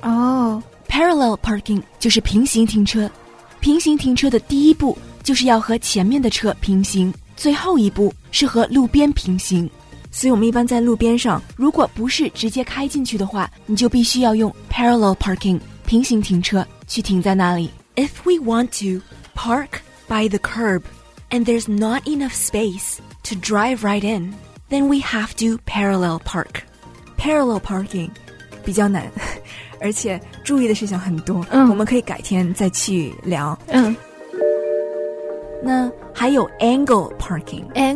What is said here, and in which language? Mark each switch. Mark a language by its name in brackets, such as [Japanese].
[Chinese] Parallel parking 就是平行停车，平行停车的第一步就是要和前面的车平行，最后一步是和路边平行。所以我们一般在路边上，如果不是直接开进去的话，你就必须要用 parallel parking 平行停车去停在那里。 [English] If we want to park by the curb and there's not enough space to drive right in, then we have to parallel park. [Chinese] Parallel parking 比较难，而且注意的事项很多、我们可以改天再去聊。那还有 angle parking，